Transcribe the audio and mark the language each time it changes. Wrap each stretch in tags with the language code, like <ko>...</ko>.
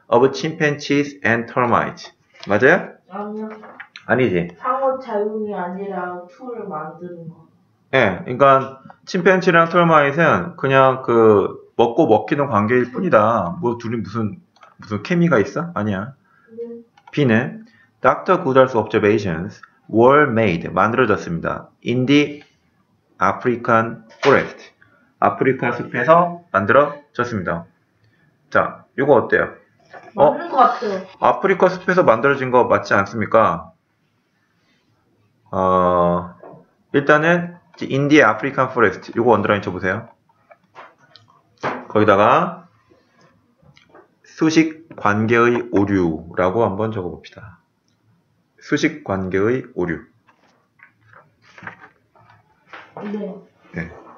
<en>Of chimpanzees and termites.</en> <ko>맞아요? 아니요. 아니지. 상호 작용이 아니라 툴을 만드는 거. 예, 네, 그러니까 침팬치랑 털마잇은 그냥 그 먹고 먹히는 관계일 뿐이다. 뭐 둘이 무슨 케미가 있어? 아니야. 비는 Dr.</ko> <en>Goodall's observations were made,</en> <ko>만들어졌습니다.</ko> <en>In the African forest.</en> <ko>아프리카 숲에서 만들어졌습니다. 자, 이거 어때요? 맞는 것 같아요. 아프리카 숲에서 만들어진 거 맞지 않습니까? 일단은</ko> <en>In the African Forest.</en> <ko>요거 언더라인 쳐보세요. 거기다가 수식 관계의 오류라고 한번 적어봅시다. 수식 관계의 오류. 네. 네.</ko>